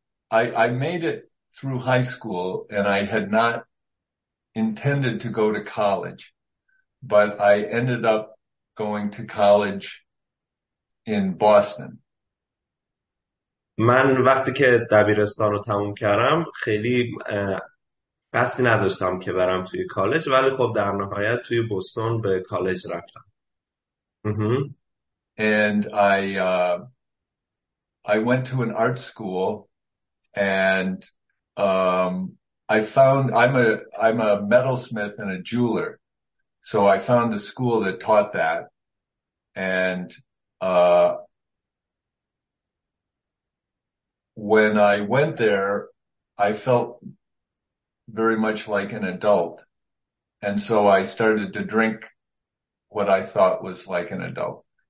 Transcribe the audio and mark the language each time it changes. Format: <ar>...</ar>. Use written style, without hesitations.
<en>I made it through high school and I had not intended to go to college, but I ended up going to college in Boston.</en> <fa>من وقتی که دبیرستان رو تموم کردم خیلی قصدی نداشتم که برم توی کالج، ولی خب در نهایت توی بوستون به کالج رفتم.</fa> <en>And I went to an art school, and I found I'm a metalsmith and a jeweler, so I found a school that taught that, and when I went there, I felt very much like an adult, and so I started to drink what I thought was like an adult.</en>